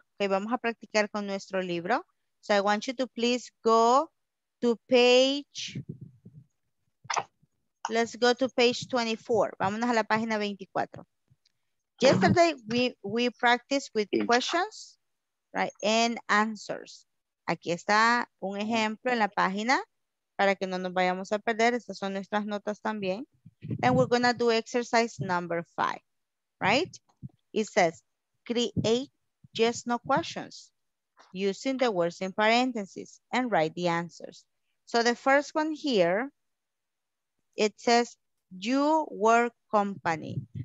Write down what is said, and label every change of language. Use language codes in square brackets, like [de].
[en] Okay, [es] vamos a practicar con nuestro libro. [en] So I want you to please go to page... Let's go to page 24. [es] Vámonos a la página 24. [en] Yesterday, we practiced with questions, right, and answers. [es] Aquí está un ejemplo en la página para que no nos vayamos a perder. Estas son nuestras notas también. [en] And we're going to do exercise number 5, right? It says, create yes, no questions using the words in parentheses and write the answers. So the first one here, it says, you work company.